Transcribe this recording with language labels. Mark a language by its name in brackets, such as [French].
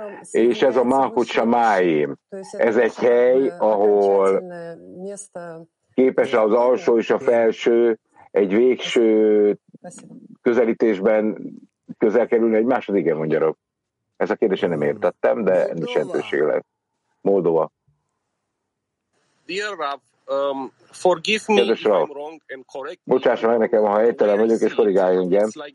[Hungarian] És ez a Malkut Shamayim, ez egy hely, ahol képes az alsó és a felső egy végső közelítésben közel kerülni egymáshoz, igen, mondja Rob. Ez a kérdésen nem értettem, de ennyi jelentőség lehet. Moldova. [English] Dear Rav, forgive me if I'm wrong and correct. [Hungarian] Bocsássa meg nekem, ha helytelen vagyok, és korrigáljunk, igen.